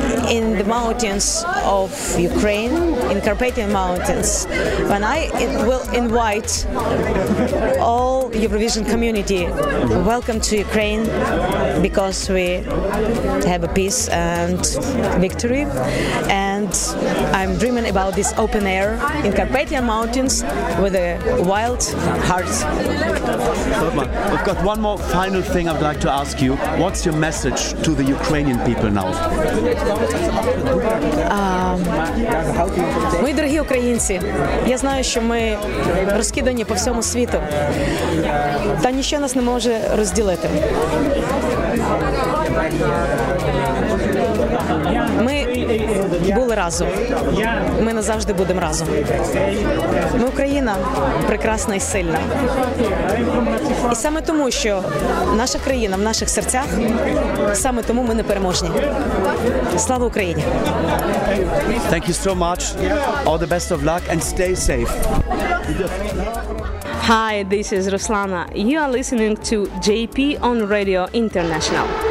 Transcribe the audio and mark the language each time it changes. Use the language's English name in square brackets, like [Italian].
[English] in the mountains of Ukraine, in Carpathian Mountains, when I will invite all Eurovision community, welcome to Ukraine, because we have a peace and victory, and I'm dreaming about this open air in Carpathian Mountains with a wild heart. We've got one more final thing I'd like to ask you. What's your message to the Ukrainian people now? [Ukrainian] Мої дорогі українці, я знаю, що ми розкидані по всьому світу, та ніщо нас не може розділити. Ми були разом, ми назавжди будемо разом. Ми Україна прекрасна і сильна. І саме тому, що наша країна в наших серцях, саме тому ми непереможні. Слава Україні! [English] Thank you so much. All the best of luck and stay safe. Hi, this is Ruslana. You are listening to JP on Radio International.